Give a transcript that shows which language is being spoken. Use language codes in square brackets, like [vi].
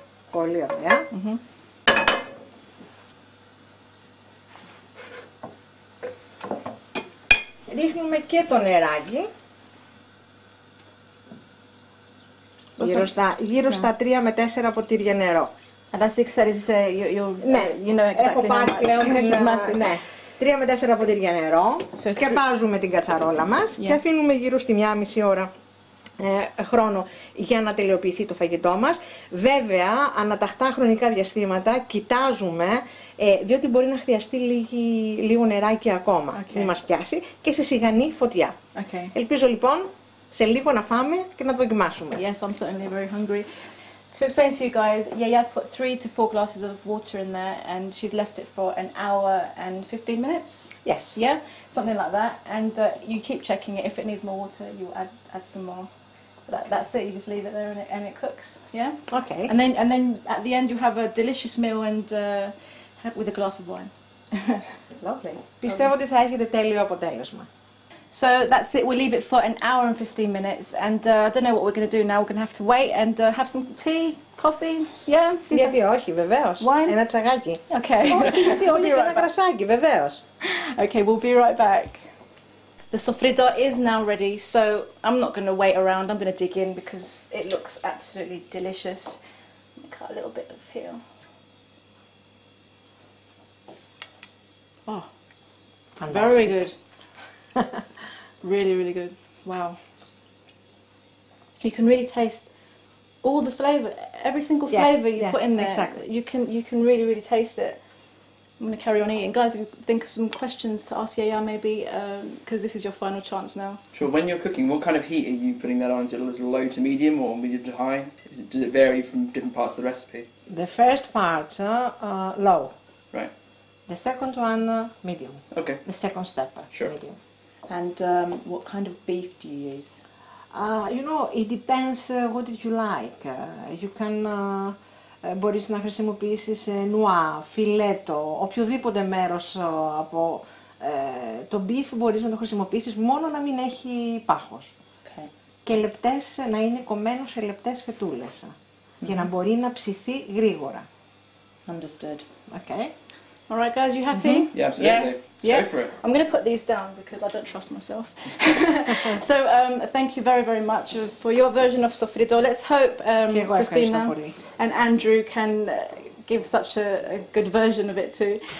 [el] Πολύ ωραία. Ρίχνουμε και το νεράκι. Γύρω στα 3 με 4 ποτήρια νερό. [en] And that's exactly, you know exactly how much. [el] Ναι, έχω πάρει πλέον, ναι. 3 με 4 ποτήρια νερό, σκεπάζουμε την κατσαρόλα μας και αφήνουμε γύρω στη μία μισή ώρα χρόνο για να τελειοποιηθεί το φαγητό μας. Βέβαια, αναταχτά χρονικά διαστήματα κοιτάζουμε, διότι μπορεί να χρειαστεί λίγο νεράκι ακόμα, μην μας πιάσει, και σε σιγανή φωτιά. [en] Okay. [el] Ελπίζω λοιπόν σε λίγο να φάμε και να δοκιμάσουμε. [en] Yes, I'm certainly very hungry. To explain to you guys, Yaya's put 3 to 4 glasses of water in there and she's left it for an hour and 15 minutes? Yes. Yeah, something like that. And you keep checking it. If it needs more water, you add some more. That's it. You just leave it there and it cooks. Yeah? Okay. And then at the end, you have a delicious meal and with a glass of wine. Lovely. [el] Πιστεύω ότι θα έχετε τέλειο αποτέλεσμα. [en] So that's it, we leave it for an hour and 15 minutes and I don't know what we're going to do now, we're going to have to wait and have some tea, coffee, yeah? [el] Γιατί όχι, βεβαίως. [en] Wine? [el] Ένα τσαγάκι. [en] Okay. [el] Γιατί όχι, και ένα κρασάκι, βεβαίως. [en] Okay, we'll be right back. The sofrito is now ready, so I'm not going to wait around, I'm going to dig in because it looks absolutely delicious. Let me cut a little bit of here. Oh, fantastic. Very good. Really, really good. Wow. You can really taste all the flavour, every single flavour you put in there. Exactly. You can really, really taste it. I'm going to carry on eating. Guys, think of some questions to ask Yaya maybe, because this is your final chance now. Sure. When you're cooking, what kind of heat are you putting that on? Is it low to medium or medium to high? Does it vary from different parts of the recipe? The first part, low. Right. The second one, medium. Okay. The second step, sure. Medium. And what kind of beef do you use? You know, it depends what did you like. You can, [el] μπορείς να χρησιμοποιήσεις νουά, φιλέτο, οποιοδήποτε μέρος από το beef μπορείς να το χρησιμοποιήσεις, μόνο να μην έχει πάχος. [en] Okay. [el] Και λεπτές, να είναι κομμένο σε λεπτές φετούλες, για να μπορεί να ψηθεί γρήγορα. [en] Understood. Okay. All right, guys, you happy? Mm-hmm. Yeah, absolutely. Yeah. Yeah, go for it. I'm going to put these down because I don't trust myself. So thank you very, very much for your version of sofrito. Let's hope Christina and Andrew can give such a good version of it too.